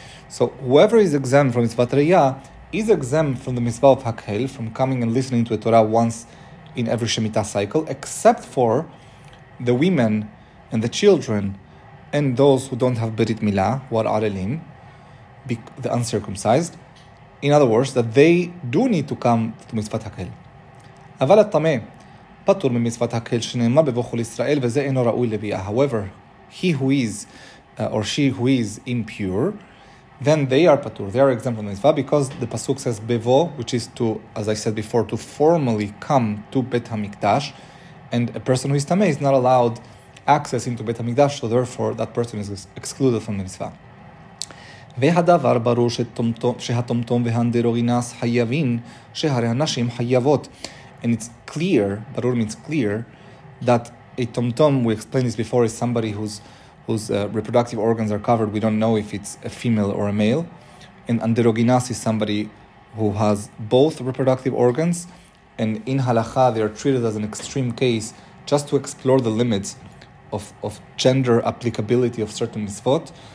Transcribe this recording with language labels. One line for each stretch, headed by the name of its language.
English: So whoever is exempt from mitzvat ra'iyya is exempt from the mitzvah of ha'kel, from coming and listening to the Torah once in every Shemitah cycle, except for the women and the children and those who don't have Berit Milah, who are Arelim, the uncircumcised. In other words, that they do need to come to Mitzvat HaKel.
Hebrew: אבל התמה פטור ממצוות הקהל שנאמר בבוכל ישראל וזה אינו ראוי לביאה.
English: However, he who is or she who is impure, then they are patur, they are exempt from mitzvah, because the pasuk says bevo, which is to, as I said before, to formally come to Beit HaMikdash, and a person who is tameh is not allowed access into Beit HaMikdash, so therefore that person is excluded from the mitzvah.
Hebrew: והדבר ברור שהתומתום והנדרוינס חייבין שהרי הנשים חייבות.
English: And it's clear, barur means clear, that a tomtom, we explained this before, is somebody whose reproductive organs are covered. We don't know if it's a female or a male. in androgynous is somebody who has both reproductive organs, and in halakha they are treated as an extreme case just to explore the limits of gender applicability of certain mitzvot.